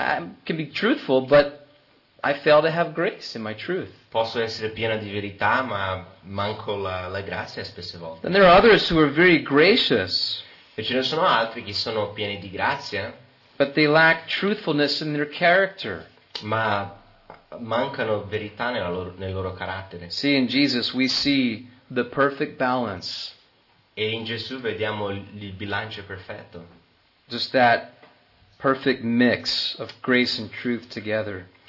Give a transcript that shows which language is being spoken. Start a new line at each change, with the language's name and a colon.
English: I can be truthful, but I fail to have grace in my truth.
Italian: Posso essere pieno di verità, ma manco la grazia spesse volte.
English: And there are others who are very gracious.
Italian: E ce ne sono altri che sono pieni di grazia.
English: But they lack truthfulness in their character.
Italian: Ma mancano verità nel loro carattere.
English: See, in Jesus we see the perfect balance.
Italian: E in Gesù vediamo il bilancio perfetto.
English: Just that perfect mix of grace and truth together.